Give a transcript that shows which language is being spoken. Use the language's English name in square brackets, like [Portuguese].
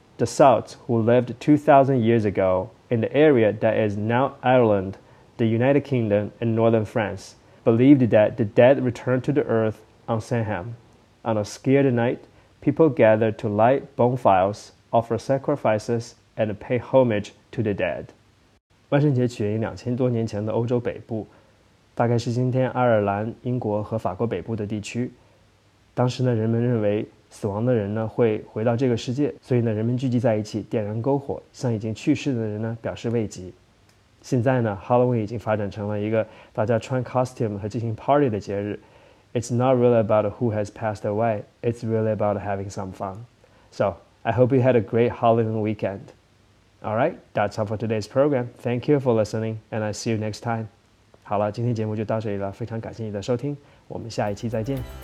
[English] The Celts, who lived 2,000 years ago in the area that is now Ireland, the United Kingdom, and northern France, believed that the dead returned to the earth on Samhain. On a scared night, people gathered to light bonfires, offer sacrifices, and pay homage to the dead. [Chinese] 万圣节起源于2000多年前的欧洲北部，大概是今天爱尔兰、英国和法国北部的地区。当时呢，人们认为死亡的人呢会回到这个世界，所以呢，人们聚集在一起点燃篝火，向已经去世的人呢表示慰藉。现在呢 ，Halloween 已经发展成了一个大家穿 costume 和进行 party 的节日。 [English] It's not really about who has passed away. It's really about having some fun. So I hope you had a great Halloween weekend. Alright, that's all for today's program. Thank you for listening, and I see you next time. [Chinese] 好了，今天节目就到这里了，非常感谢你的收听，我们下一期再见。